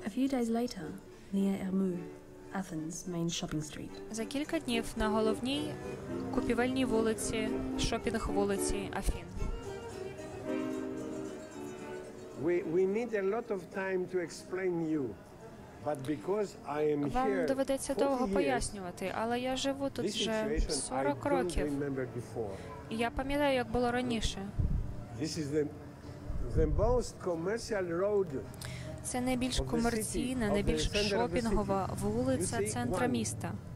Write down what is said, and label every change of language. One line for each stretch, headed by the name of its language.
English: Days later, near Ermou, Athens' main shopping street.
Ukrainian: За кілька днів на головній купівельній вулиці, шопінг-вулиці Афін.
English: We need a lot of time to explain you, but because I am here.
Ukrainian: Вам доведеться довго пояснювати, але я живу тут вже 40 років. Я пам'ятаю, як було раніше.
English: This is the most commercial road.
Ukrainian: Це найбільш комерційна, найбільш шопінгова вулиця центра міста.